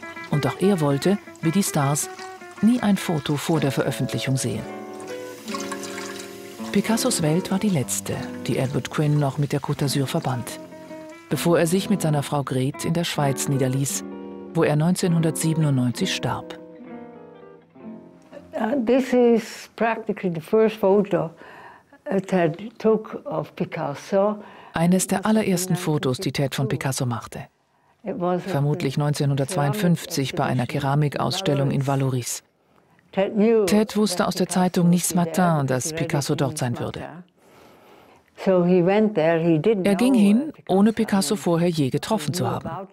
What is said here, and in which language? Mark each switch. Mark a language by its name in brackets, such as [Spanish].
[German] Und auch er wollte, wie die Stars, nie ein Foto vor der Veröffentlichung sehen. Picassos Welt war die letzte, die Edward Quinn noch mit der Côte d'Azur verband, bevor er sich mit seiner Frau Grete in der Schweiz niederließ, wo er 1997 starb. [English] This is practically the first photo Ted took of Picasso. [German] Eines der allerersten Fotos, die Ted von Picasso machte. Vermutlich 1952 bei einer Keramikausstellung in Valoris. Ted wusste aus der Zeitung Nice Matin, dass Picasso dort sein würde. Er ging hin, ohne Picasso vorher je getroffen zu haben.